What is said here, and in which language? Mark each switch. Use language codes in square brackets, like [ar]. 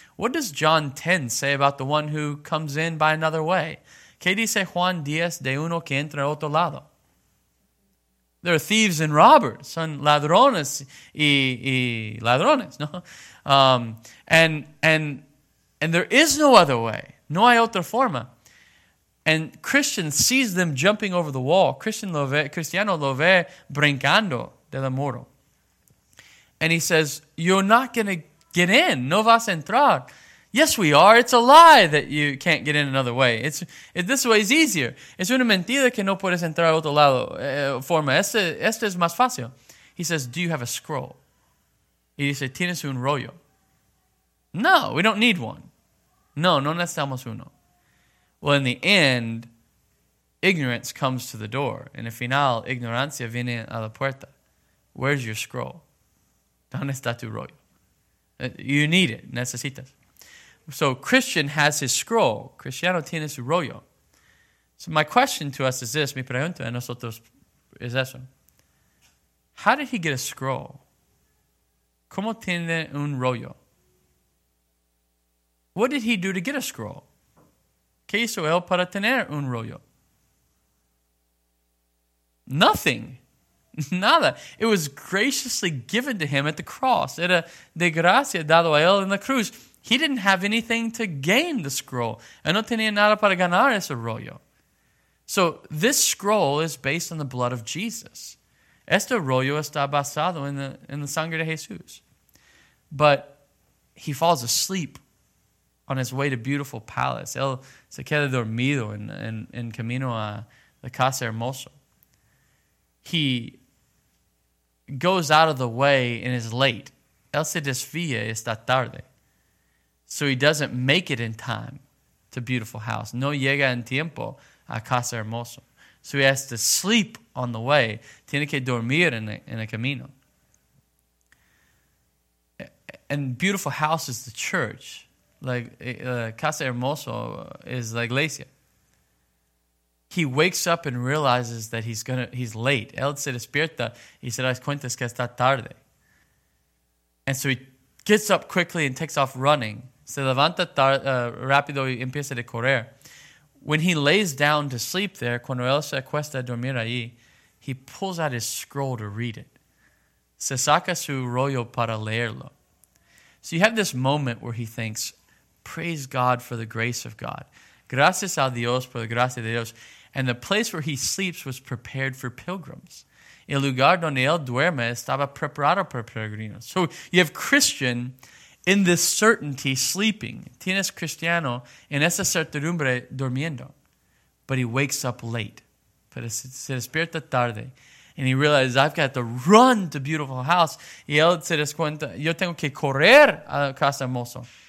[en] What does John 10 say about the one who comes in by another way? [es] ¿Qué dice Juan 10 de uno que entra a otro lado? [en] There are thieves and robbers. [es] Son ladrones y ladrones, ¿no? [en] And there is no other way. [es] No hay otra forma. [en] And Christian sees them jumping over the wall. [es] Cristiano lo ve brincando de la muro. [en] And he says, you're not going to get in. [es] No vas a entrar. [en] Yes, we are. It's a lie that you can't get in another way. This way is easier. [es] Es una mentira que no puedes entrar a otro lado. Forma. Este es más fácil. [en] He says, do you have a scroll? Y dice, ¿tienes un rollo? No, we don't need one. [es] No necesitamos uno. [en] Well, in the end, ignorance comes to the door. [es] En el final, ignorancia viene a la puerta. [en] Where's your scroll? [es] ¿Dónde está tu rollo? [en] You need it. [es] Necesitas. [en] So Christian has his scroll. [es] Cristiano tiene su rollo. [en] So my question to us is this. [es] Mi pregunta a nosotros es eso. [en] How did he get a scroll? [es] ¿Cómo tiene un rollo? [en] What did he do to get a scroll? [es] ¿Qué hizo él para tener un rollo? [en] Nothing. [es] Nada. [en] It was graciously given to him at the cross. [es] Era de gracia dado a él en la cruz. [en] He didn't have anything to gain the scroll. [es] Él no tenía nada para ganar ese rollo. [en] So this scroll is based on the blood of Jesus. [es] Este rollo está basado en la sangre de Jesús. [en] But he falls asleep on his way to beautiful palace. [es] Él se queda dormido en camino a la casa hermosa. [en] He goes out of the way and is late. [es] Él se desvía y está tarde. [en] So he doesn't make it in time to beautiful house. [es] No llega en tiempo a casa hermosa. [en] So he has to sleep on the way. [es] Tiene que dormir en el camino. [en] And beautiful house is the church. Like casa hermosa is la iglesia. He wakes up and realizes that he's late. [es] Él se despierta y se da cuenta que está tarde. [en] And so he gets up quickly and takes off running. [es] Se levanta rápido y empieza a correr. [en] When he lays down to sleep there, [es] cuando él se acuesta a dormir ahí, [en] he pulls out his scroll to read it. [es] Se saca su rollo para leerlo. [en] So you have this moment where he thinks, praise God for the grace of God. [es] Gracias a Dios por la gracia de Dios. [en] And the place where he sleeps was prepared for pilgrims. [es] El lugar donde él duerme estaba preparado para peregrinos. [en] So you have Christian in this certainty sleeping. [es] Tienes cristiano en esa certidumbre durmiendo. [en] But he wakes up late. [es] Pero se despierta tarde. [en] And he realizes, I've got to run to beautiful house. [es] Y él se descuenta, yo tengo que correr a casa hermosa.